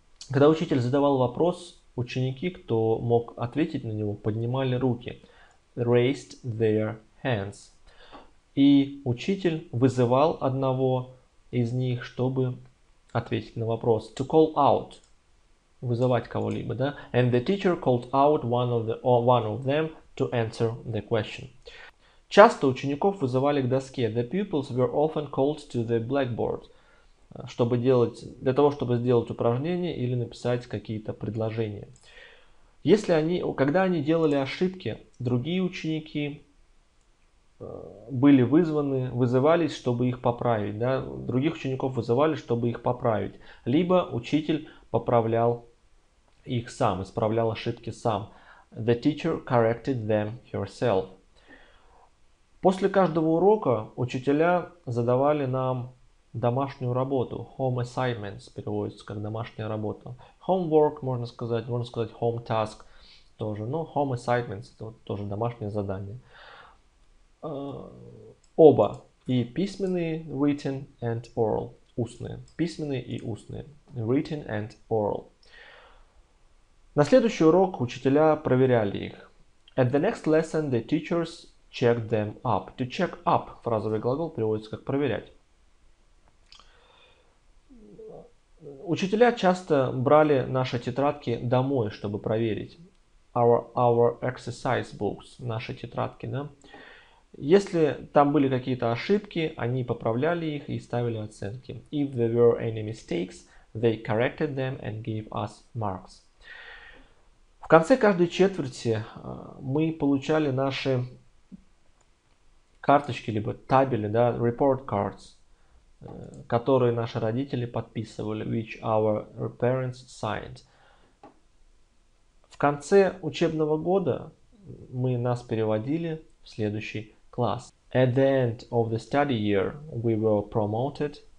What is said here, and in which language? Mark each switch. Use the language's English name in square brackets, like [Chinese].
[Russian] Когда учитель задавал вопрос, ученики, кто мог ответить на него, поднимали руки. [English] Raised their hands. [Russian] И учитель вызывал одного из них, чтобы ответить на вопрос. [English] To call out. [Russian] Вызывать кого-либо, да? [English] And the teacher called out one of them to answer the question. [Russian] Часто учеников вызывали к доске. [English] The pupils were often called to the blackboard. [Russian] Для того, чтобы сделать упражнение или написать какие-то предложения. Когда они делали ошибки, другие ученики были вызваны, вызывались, чтобы их поправить. Да? Других учеников вызывали, чтобы их поправить. Либо учитель поправлял их сам, исправлял ошибки сам. [English] The teacher corrected them herself. [Russian] После каждого урока учителя задавали нам домашнюю работу. [English] Home assignments [Russian] переводится как домашняя работа. [English] Homework [Russian] можно сказать [English] home task [Russian] тоже. Но [English] home assignments [Russian] это тоже домашнее задание. Оба. И письменные, [English] written and oral. [Russian] Устные. Письменные и устные. [English] Written and oral. [Russian] На следующий урок учителя проверяли их. [English] At the next lesson the teachers checked them up. To check up. [Russian] Фразовый глагол переводится как проверять. Учителя часто брали наши тетрадки домой, чтобы проверить. [English] Our exercise books, [Russian] наши тетрадки, да? Если там были какие-то ошибки, они поправляли их и ставили оценки. [English] If there were any mistakes, they corrected them and gave us marks. [Russian] В конце каждой четверти мы получали наши карточки, либо табели, да, [English] report cards, [Russian] которые наши родители подписывали, [English] which our parents signed. [Russian] В конце учебного года нас переводили в следующий класс. [English] At the end of the study year, we were promoted.